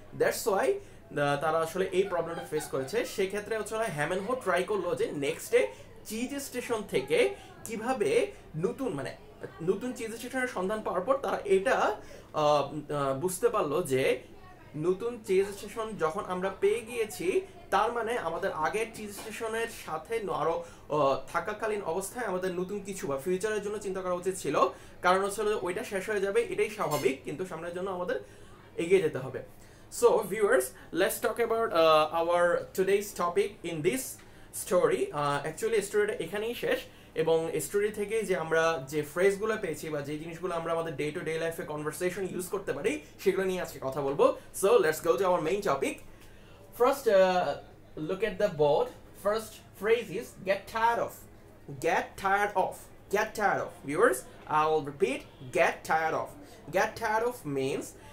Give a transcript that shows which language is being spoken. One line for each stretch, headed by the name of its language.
Bangla: That's why তারা আসলে এই প্রবলেমটা ফেস করেছে। সেক্ষেত্রে হচ্ছে হ্যাম অ্যান্ড হো ট্রাই করলো যে নেক্সট ডে চিজ স্টেশন থেকে কিভাবে নতুন, মানে নতুন চিজ স্টেশনের সন্ধান পাওয়ার পর তারা এটা বুঝতে পারলো যে নতুন চিজ স্টেশন যখন আমরা পেয়ে গিয়েছি তার মানে আমাদের আগের চিজ স্টেশনের সাথে আরও থাকাকালীন অবস্থায় আমাদের নতুন কিছু বা ফিউচারের জন্য চিন্তা করা উচিত ছিল, কারণ হচ্ছিল ওইটা শেষ হয়ে যাবে এটাই স্বাভাবিক, কিন্তু সামনের জন্য আমাদের এগিয়ে যেতে হবে।
English: So viewers, let's talk about our today's topic in this story.
Bangla: Actually, story-টা এখানেই শেষ এবং স্টোরি থেকে যে আমরা যে ফ্রেজগুলো পেয়েছি বা যে জিনিসগুলো আমরা আমাদের ডে টু ডে লাইফে কনভারসেশন ইউজ করতে পারি সেগুলো নিয়ে আজকে কথা বলবো।
English: So let's go to our main topic. First look at the board. First phrase is get tired of, get tired of, get tired of. Viewers, I will repeat, get tired of. Get tired of means